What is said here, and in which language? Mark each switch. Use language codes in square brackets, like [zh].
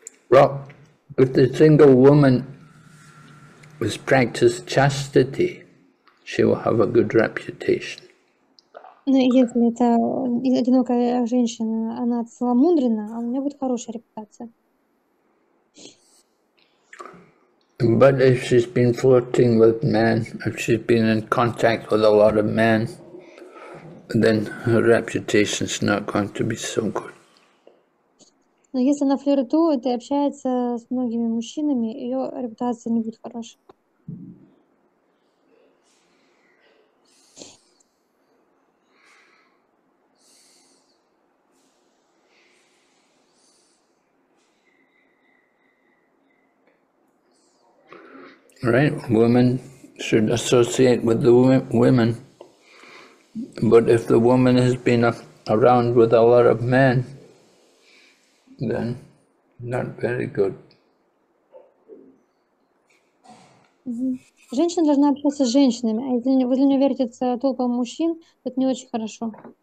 [en] Well, if the single woman has practiced chastity, she will have a good reputation. [ru] Ну, если это одинокая женщина, она целомудрена, у нее будет хорошая репутация. [en] But if she's been flirting with men, if she's been in contact with a lot of men, then her reputation is not going to be so good. [ru] Но если она флиртует и общается с многими мужчинами, ее репутация не будет хорошей. [en] Right, women should associate with the women, but if the woman has been around with a lot of men, then not very good. [ru] Женщина должна общаться с женщинами, а если вы для нее вертится толпа мужчин, то это не очень хорошо.